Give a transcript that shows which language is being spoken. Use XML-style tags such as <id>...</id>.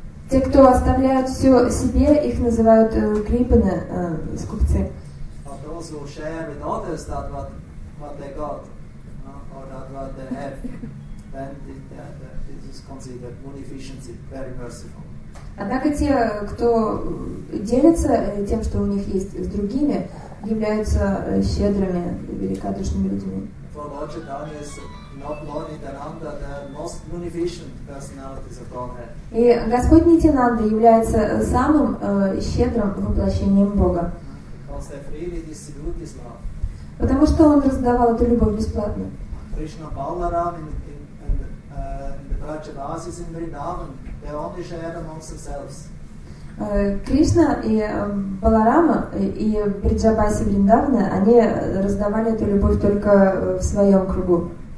<ru>Те, кто оставляют все себе, их называют крипаны, скупцы.</ru> <en>But those who share with others that what they got, or that what they have, then it is considered good efficiency, very merciful.</en> <ru>Однако те, кто делится тем, что у них есть с другими, являются щедрыми, великодушными людьми.</ru> <en>For Lord Chaitanya is not Lord Nityananda, the most munificent personality of Godhead.</en> <ru>И Господь Нитянанда является самым щедрым воплощением Бога.</ru> <en>Because they freely distribute his love.</en> <ru>Потому что он раздавал эту любовь бесплатно.</ru> <en>Krishna Balaram in the Brajavasis in Vrindavan, they only share amongst themselves.</en> <ru>Кришна и Баларама и Бриджабаси Вриндавана, они раздавали эту любовь только в своем кругу.</ru>